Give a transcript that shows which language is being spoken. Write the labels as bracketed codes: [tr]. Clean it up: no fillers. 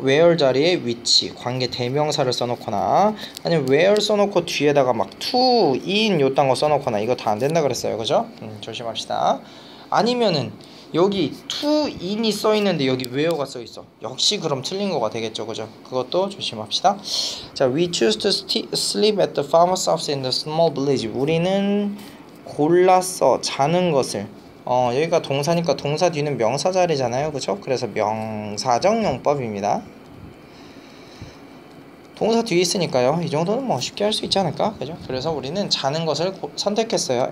[ko] where 자리에 위치, 관계 대명사를 써놓거나, 아니면 where 써놓고 뒤에다가 막 to, in 요딴 거 써놓거나, 이거 다안 된다 그랬어요. 그죠? 조심합시다. 아니면은 여기 to, in이 써 있는데 여기 where가 써 있어. 역시 그럼 틀린 거가 되겠죠. 그죠? 그것도 조심합시다. [en] 자, we choose to sleep at the farmer's house in the small village. [ko] 우리는 골랐어 자는 것을. 여기가 동사니까 동사 뒤는 명사 자리잖아요. 그쵸? 그래서 명사적 용법입니다. 동사 뒤에 있으니까요. 이 정도는 뭐 쉽게 할수 있지 않을까? 그죠? 그래서 우리는 자는 것을 선택했어요.